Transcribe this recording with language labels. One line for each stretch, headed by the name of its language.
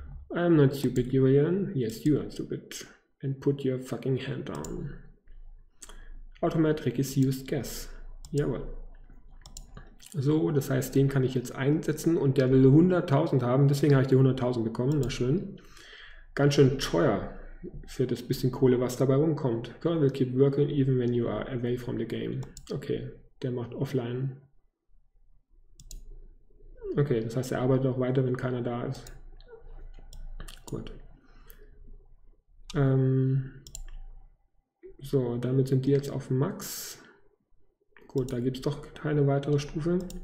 English: I'm not stupid, Julian. Yes, you are stupid. And put your fucking hand down. Automatic is used gas. Jawohl.
German: So, das heißt, den kann ich jetzt einsetzen und der will 100.000 haben, deswegen habe ich die 100.000 bekommen. Na schön. Ganz schön teuer für das bisschen Kohle, was dabei rumkommt.
English: Girl will keep working even when you are away from the game.
German: Okay, der macht offline. Okay, das heißt, er arbeitet auch weiter, wenn keiner da ist. Gut. So, damit sind die jetzt auf Max. Gut, da gibt es doch keine weitere Stufe.